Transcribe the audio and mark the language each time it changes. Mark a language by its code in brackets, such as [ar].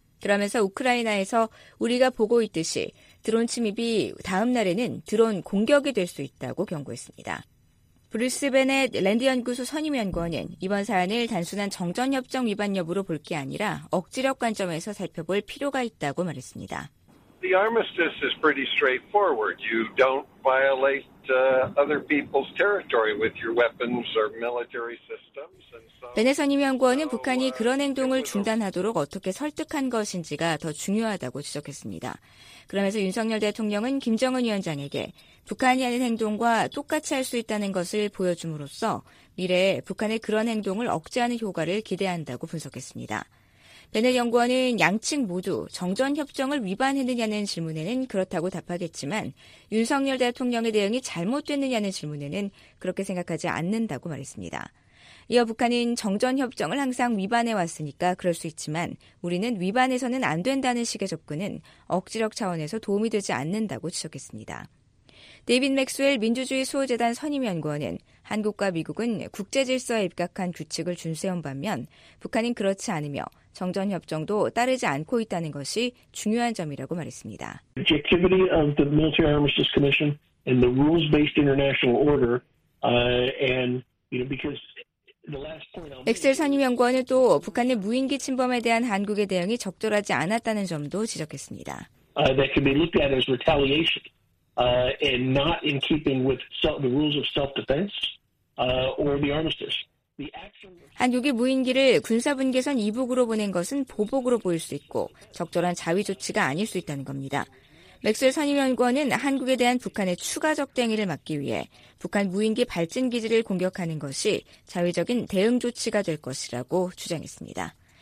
[ko] 그러면서 우크라이나에서 우리가 보고 있듯이 드론 침입이 다음 날에는 드론 공격이 될 수 있다고 경고했습니다. 브리스벤의 랜드연구소 선임연구원은 이번 사안을 단순한 정전협정 위반 여부로 볼 게 아니라 억지력 관점에서 살펴볼 필요가 있다고 말했습니다. [en] The armistice is pretty straightforward. You don't violate other people's territory with your weapons or military systems. [ko] 벤의 선임연구원은 북한이 그런 행동을 중단하도록 어떻게 설득한 것인지가 더 중요하다고 지적했습니다. 그러면서 윤석열 대통령은 김정은 위원장에게 북한이 하는 행동과 똑같이 할 수 있다는 것을 보여줌으로써 미래에 북한의 그런 행동을 억제하는 효과를 기대한다고 분석했습니다. 벤의 연구원은 양측 모두 정전협정을 위반했느냐는 질문에는 그렇다고 답하겠지만 윤석열 대통령의 대응이 잘못됐느냐는 질문에는 그렇게 생각하지 않는다고 말했습니다. 이어 북한은 정전협정을 항상 위반해왔으니까 그럴 수 있지만 우리는 위반해서는 안 된다는 식의 접근은 억지력 차원에서 도움이 되지 않는다고 지적했습니다. 데이빗 맥스웰 민주주의 수호재단 선임연구원은 한국과 미국은 국제질서에 입각한 규칙을 준수해온 반면 북한은 그렇지 않으며 정전협정도 따르지 않고 있다는 것이 중요한 점이라고 말했습니다. [en] The objectivity of the Military Armistice Commission and the rules-based international order and you know because [ko] 엑셀 선임연구원은 또 북한의 무인기 침범에 대한 한국의 대응이 적절하지 않았다는 점도 지적했습니다. [en] That can be looked at as retaliation and not in keeping with the rules of self-defense or the armistice. [ko] 한국이 무인기를 군사분계선 이북으로 보낸 것은 보복으로 보일 수 있고 적절한 자위 조치가 아닐 수 있다는 겁니다. 맥스웰 선임연구원은 한국에 대한 북한의 추가 적대행위를 막기 위해 북한 무인기 발진기지를 공격하는 것이 자위적인 대응 조치가 될 것이라고 주장했습니다.